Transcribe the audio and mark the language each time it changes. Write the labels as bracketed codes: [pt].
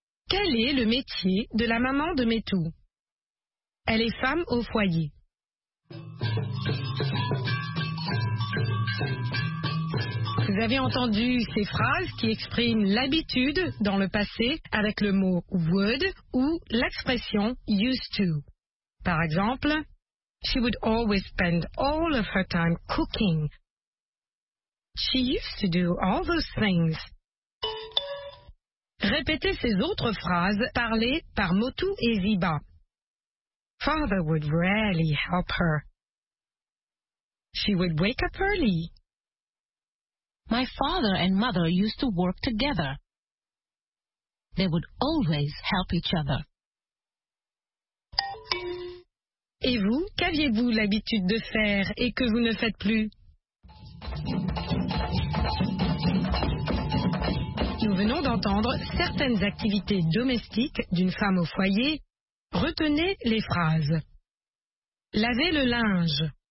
[fr] Quel est le métier de la maman de Metou? Elle est femme au foyer. Vous avez entendu ces phrases qui expriment l'habitude dans le passé avec le mot would ou l'expression used to. Par exemple, [en] she would always spend all of her time cooking. She used to do all those things. [fr] Répétez ces autres phrases parlées par Metou et Ziba. [en] Father would rarely help her. She would wake up early. My father and mother used to work together. They would always help each other. [fr] Et vous, qu'aviez-vous l'habitude de faire et que vous ne faites plus? Nous venons d'entendre certaines activités domestiques d'une femme au foyer. Retenez les phrases. Laver le linge.